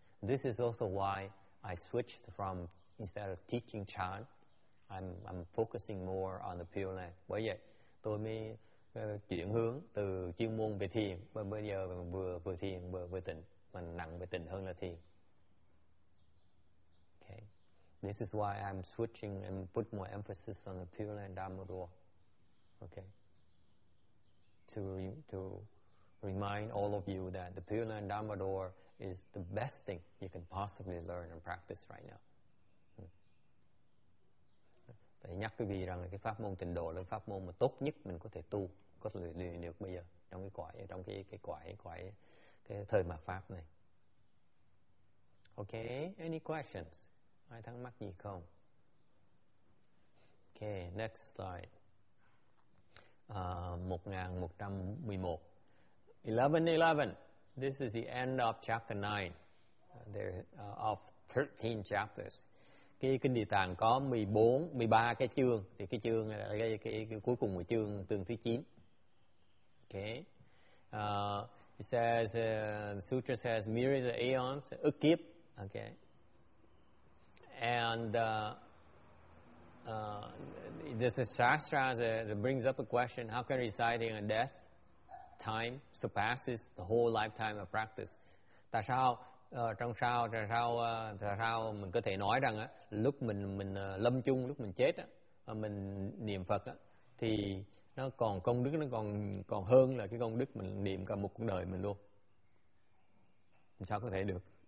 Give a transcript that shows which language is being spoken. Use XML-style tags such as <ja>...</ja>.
<en>This is also why I switched from instead of teaching chant, I'm focusing more on the Pure Land.</en> <vi>Bởi vậy tôi mới chuyển hướng từ chuyên môn về thiền, và bây giờ vừa thiền vừa tịnh. Mình nặng về tình hơn là thiền.</vi> <en>Okay. This is why I'm switching and put more emphasis on the Pure Land Dharma Door. Okay. To remind all of you that the Pure Land Dharma Door is the best thing you can possibly learn and practice right now.</en> <vi>Tại nhắc quý vị rằng là cái pháp môn tịnh độ là pháp môn mà tốt nhất mình có thể tu, có thể luyện được bây giờ trong cái quả, trong cái quả cái thời mạt pháp này. Okay,</vi> <en>any questions?</en> <vi>Ai thắc mắc gì không?</vi> <en>Okay, next slide. 1111. 11:11. This is the end of chapter 9. There of 13 chapters.</en> <vi>Cái kinh Địa Tạng có 13 cái chương, thì cái chương cái cuối cùng của chương tương thứ 9.</vi> <en>Okay. It says, sutra says, myriad of aeons, ukkip, okay. And this is shastra that brings up a question, how can residing in death time surpasses the whole lifetime of practice?</en> <vi>Tại sao, tại sao mình có thể nói rằng lúc mình lâm chung, lúc mình chết, mình niệm Phật, thì nó còn công đức, nó còn hơn là cái công đức mình niệm cả một cuộc đời mình luôn. Sao có thể được?</vi>